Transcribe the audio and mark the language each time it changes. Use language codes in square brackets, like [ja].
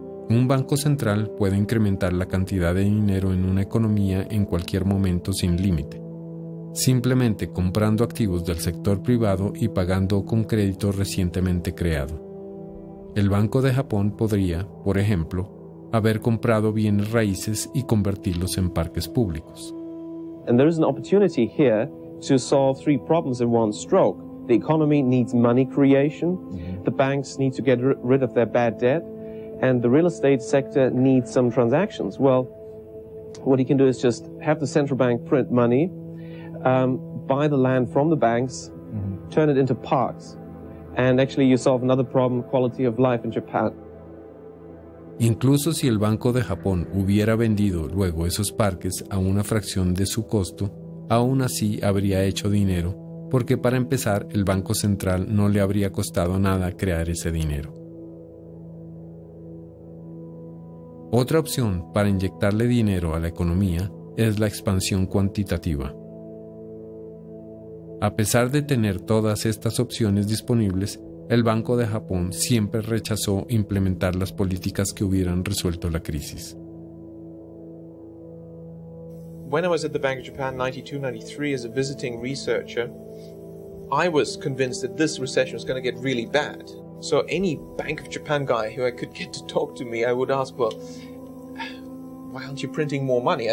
[es] Un banco central puede incrementar la cantidad de dinero en una economía en cualquier momento sin límite, simplemente comprando activos del sector privado y pagando con crédito recientemente creado. El Banco de Japón podría, por ejemplo, haber comprado bienes raíces y convertirlos en parques públicos. [en] And there is an opportunity here to solve three problems in one stroke. The economy needs money creation, the banks need to get rid of their bad debt, and the real estate sector needs some transactions. Well, what he can do is just have the central bank print money, buy the land from the banks, turn it into parks, and actually you solve another problem, quality of life in Japan. [es] Incluso si el Banco de Japón hubiera vendido luego esos parques a una fracción de su costo, aún así habría hecho dinero, porque para empezar, el Banco Central no le habría costado nada crear ese dinero. Otra opción para inyectarle dinero a la economía es la expansión cuantitativa. A pesar de tener todas estas opciones disponibles, el Banco de Japón siempre rechazó implementar las políticas que hubieran resuelto la crisis. [en] When I was at the Bank of Japan 92-93 as a visiting researcher, I was convinced that this recession was going to get really bad. So any Bank of Japan guy who I could get to talk to me, I would ask, well, why aren't you printing more money?